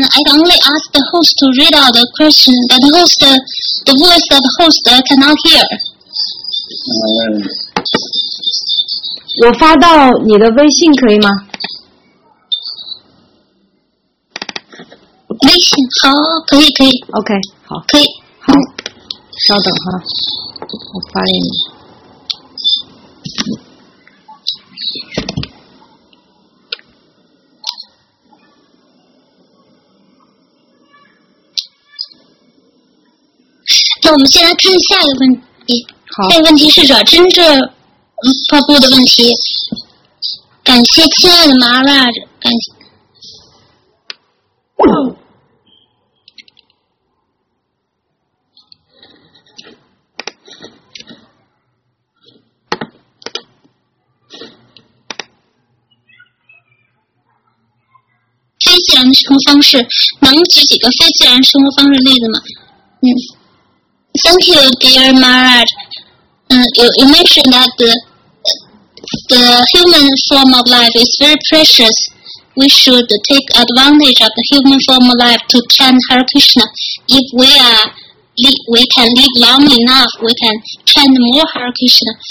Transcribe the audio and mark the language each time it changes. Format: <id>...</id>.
<en>I can only ask the host to read out the question, but the hostThe voice of the host cannot hear.</en> <zh>我发到你的微信可以吗？微信好，可以可以。 OK， 好，可以好。稍等哈，我发给你。那我们先来看下一个问题。好，下一个问题是惹真者发布的问题。感谢亲爱的麻辣，感谢。非自然的生活方式，能举几个非自然生活方式例子吗？</zh> <en>嗯。Thank you, dear Maharaj. You mentioned that the human form of life is very precious. We should take advantage of the human form of life to chant Hare Krishna. If we can live long enough, we can chant more Hare Krishna.</en>